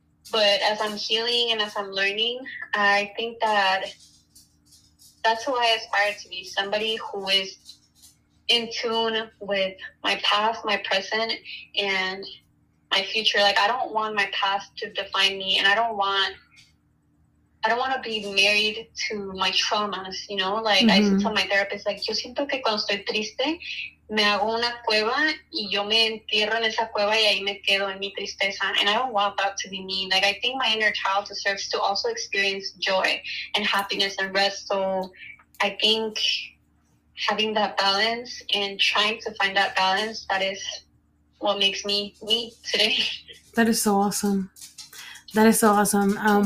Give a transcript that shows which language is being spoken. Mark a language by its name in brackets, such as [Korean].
[English] But as I'm healing and as I'm learning, I think that's who I aspire to be, somebody who is in tune with my past, my present, and my future. Like, I don't want my past to define me, and I don't want to be married to my traumas, you know? Like, I used to tell my therapist, like, [Spanish] yo siento que cuando estoy triste, me hago una cueva y yo me entierro en esa cueva y ahí me quedo en mi tristeza. [English] And I don't want that to be me. Like, I think my inner child deserves to also experience joy and happiness and rest. So I think having that balance and trying to find that balance, that is what makes me today. That is so awesome. That is so awesome.